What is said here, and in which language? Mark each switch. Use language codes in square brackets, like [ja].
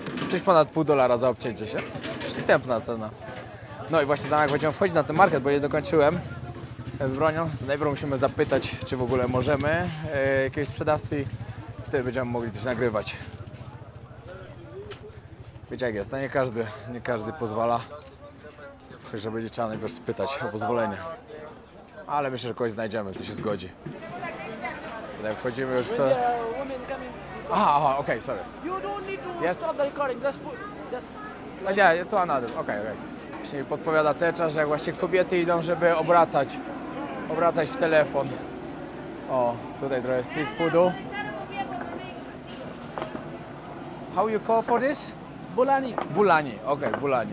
[pl] Coś ponad pół dolara za obcięcie się. Przystępna cena. No i właśnie tam jak będziemy wchodzić na ten market, bo nie dokończyłem z bronią, to najpierw musimy zapytać, czy w ogóle możemy jakiejś sprzedawcy i wtedy będziemy mogli coś nagrywać. Wiecie jak jest, to nie każdy pozwala. Chyba będzie trzeba najpierw spytać o pozwolenie. Ale myślę, że kogoś znajdziemy, kto się zgodzi. Tutaj wchodzimy już coraz... Aha, okej, sorry. [en] You don't need to stop the recording, just... [pl] Nie, to [en] another, [pl] okej. Właśnie mi podpowiada Cecza, że właśnie kobiety idą, żeby obracać w telefon. O, tutaj trochę street foodu. [en] How you call for this? Bulani. Okay, bulani.